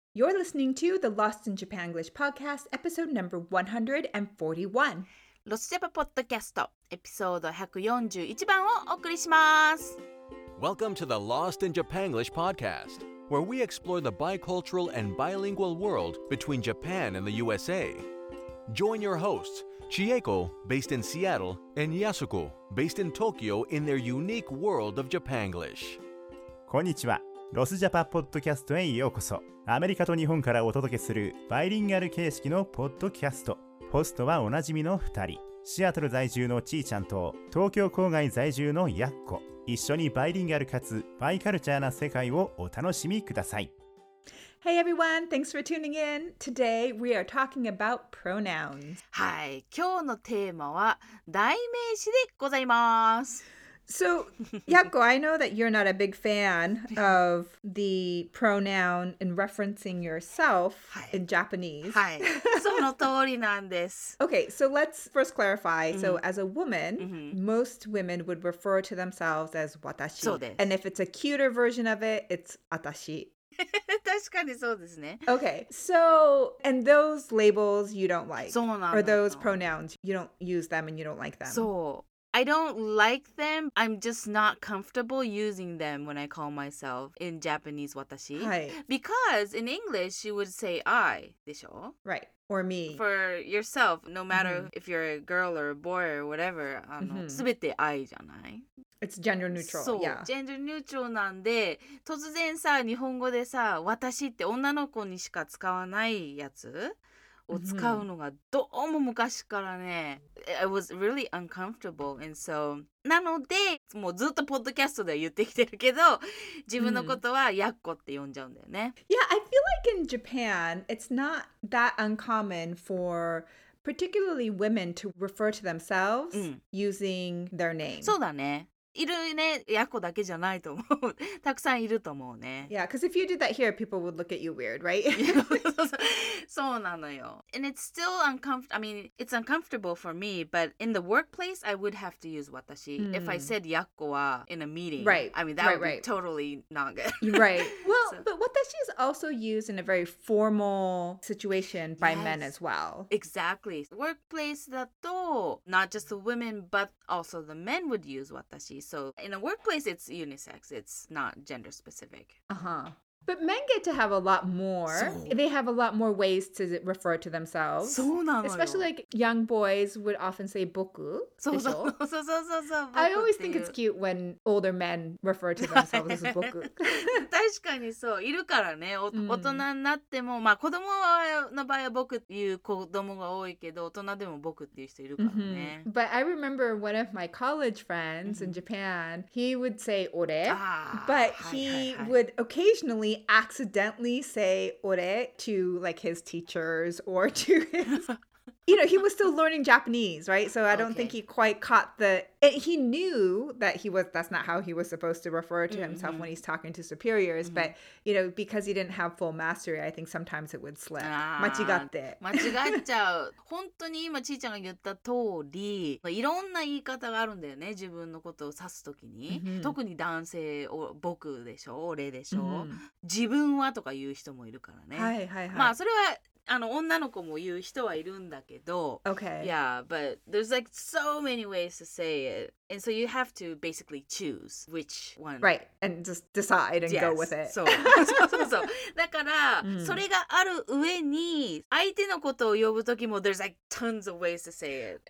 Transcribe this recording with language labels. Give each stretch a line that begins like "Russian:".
English: You're listening to the Lost in Japanglish podcast, episode number 141.
Japanese: ロスジャパポッドキャスト、エピソード141番をお送りします。
English: Welcome to the Lost in Japanglish podcast, where we explore the bicultural and bilingual world between Japan and the USA. Join your hosts, Chieko, based in Seattle, and Yasuko, based in Tokyo, in their unique world of Japanglish.
Japanese: こんにちは。ロスジャパポッドキャストへようこそ。アメリカと日本からお届けするバイリンガル形式のポッドキャスト。ホストはおなじみの2人、シアトル在住のちーちゃんと東京郊外在住のやっこ。一緒にバイリンガルかつバイカルチャーな世界をお楽しみください。
English: Hey everyone, thanks for tuning in. Today we are talking about pronouns.
Japanese: はい、今日のテーマは代名詞でございます。
English: So, Yakko, I know that you're not a big fan of the pronoun in referencing yourself in Japanese.
Japanese: はい、その通りなんです。
English: Okay, so let's first clarify. So, as a woman, most women would refer to themselves as 私.
Japanese: そうです。
English: And if it's a cuter version of it, it's 私.
Japanese: 確かにそうですね。
English: Okay, so, and those labels you don't like.
Japanese: そうなの。
English: Or those pronouns, you don't use them and you don't like them. そう。I don't like them. I'm just not comfortable using them when I call myself in Japanese, 私. Because in English, you would say I, でしょ? Right. Or me. For yourself, no matter if you're a girl or a boy or whatever,
Japanese: すべて I じゃない?
English: It's gender neutral.
Japanese: そう、
English: yeah.
Japanese: gender neutral なんで、突然さ、日本語でさ、私って女の子にしか使わないやつ? を使うのがどうも昔からね、
English: I was really uncomfortable. And so,
Japanese: なので、もうずっとポッドキャストでは言ってきてるけど、自分のことはやっこって呼んじゃうんだよね。
English: Yeah, I feel like in Japan, it's not that uncommon for particularly women to refer to themselves using their name.
Japanese: そうだね。いるね、やっこだけじゃないと思う。たくさんいると思うね。
English: Yeah, because if you did that here, people would look at you weird, right?
Japanese: そうなのよ。
English: And it's still uncomfortable. I mean, it's uncomfortable for me, but in the workplace, I would have to use 私. If I said やっこは in a meeting, right. I mean, that right, would right. be totally not good. Right. Well, so. But 私 is also used in a very formal situation by yes, men as well. Exactly. Workplace だと、not just the women, but also the men would use 私. So in a workplace, it's unisex. It's not gender specific. Uh-huh. But men get to have a lot more. They have a lot more ways to refer to themselves.
Japanese: そうなのよ。
English: Especially like young boys would often say 僕.
Japanese: そうそうそうそうそうそう。
English: I always think it's cute when older men refer to themselves as 僕.
Japanese: 確かにそう。いるからね。大人になっても、まあ子供の場合は僕っていう子供が多いけど、大人でも僕っていう人いるからね。 Mm-hmm.
English: But I remember one of my college friends in Japan, he would say 俺. But he would occasionally accidentally say ore to like his teachers or to his you know, he was still learning Japanese, right? So I don't think he quite caught the he knew that he was that's not how he was supposed to refer to himself when he's talking to superiors, but you know, because he didn't have full mastery, I think sometimes it would slip.
Japanese: 間違って。間違っちゃう。本当に今ちーちゃんが言った通り、いろんな言い方があるんだよね、自分のことを指すときに。特に男性を僕でしょ、俺でしょ。自分はとか言う人もいるからね。はいはいはい。まあそれは女の子も言う人はいるんだけど。
English: Okay. Yeah, but there's like so many ways to say it. And so you have to basically choose which one. Right, and just decide and yes. go with it.
Japanese: そう。そうそうそう。だから、それがある上に、相手のことを呼ぶときも
English: there's like tons of ways to say it.